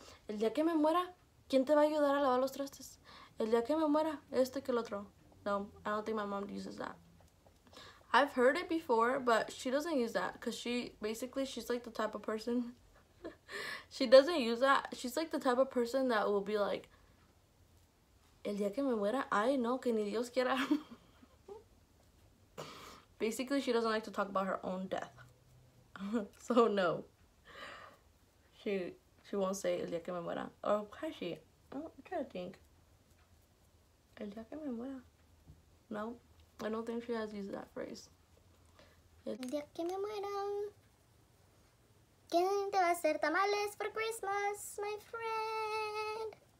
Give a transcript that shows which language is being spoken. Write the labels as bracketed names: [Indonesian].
[Spanish] El día que me muera, ¿quién te va a ayudar a lavar los trastes? El día que me muera, este que el otro. [English] No, I don't think my mom uses that. I've heard it before, but she doesn't use that because she's like the type of person. She doesn't use that. She's like the type of person that will be like, [Spanish] el día que me muera, ay no, que ni Dios quiera. [English] Basically, she doesn't like to talk about her own death. So, no. She won't say, [Spanish] el día que me muera. [English] Or has she? I'm trying to think. [Spanish] El día que me muera. [English] No, I don't think she has used that phrase. [Spanish] El día que me muera. ¿Quién te va a hacer tamales [English] for Christmas, my friend?